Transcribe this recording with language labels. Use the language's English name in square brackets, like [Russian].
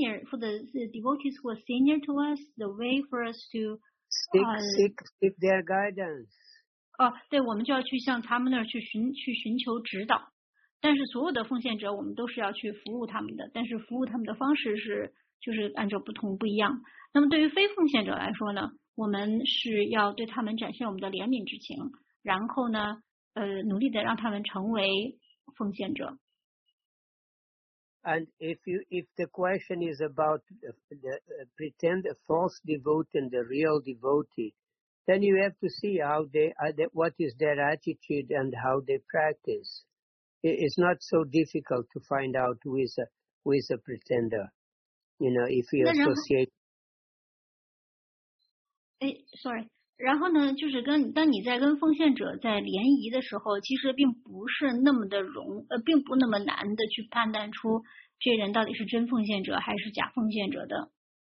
[English] For the devotees who are senior to us, the way for us to seek their guidance. [Chinese] 对，我们就要去向他们那儿去寻求指导。但是所有的奉献者，我们都是要去服务他们的。但是服务他们的方式是就是按照不同不一样。那么对于非奉献者来说呢，我们是要对他们展现我们的怜悯之情，然后呢，努力的让他们成为奉献者。 [English] And if the question is about the pretend a false devotee and the real devotee, then you have to see how they, what is their attitude and how they practice. It's not so difficult to find out who is a pretender. You know, if you associate. [Chinese] 然后呢，就是跟当你在跟奉献者在联谊的时候，其实并不是那么的容，并不那么难的去判断出这人到底是真奉献者还是假奉献者的。